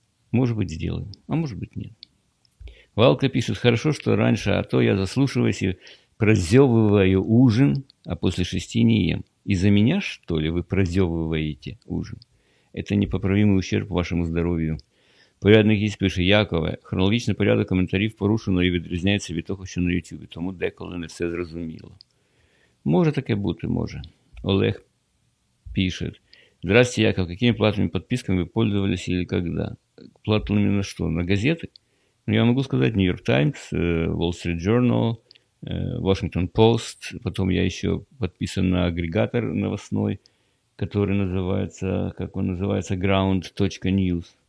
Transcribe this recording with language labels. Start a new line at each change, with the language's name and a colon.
Russian: Может быть, сделаю, а может быть, нет. Валка пишет, хорошо, что раньше, а то я заслушиваюсь и прозевываю ужин, а после шести не ем. Из-за меня, что ли, вы прозевываете ужин? Это непоправимый ущерб вашему здоровью. Порядок есть, пишет Якова.
Ukrainian: Хронологичный порядок комментариев порушен и відрізняється від того, що на Ютубі. Тому деколи не все зрозуміло. Може таке бути, може.
Russian: Олег пишет. Здрасте, Яков. Какими платными подписками вы пользовались или когда? Платными на что? На газеты? Я могу сказать New York Times, Wall Street Journal, Washington Post, потом я еще подписан на агрегатор новостной, который называется, как он называется, ground.news.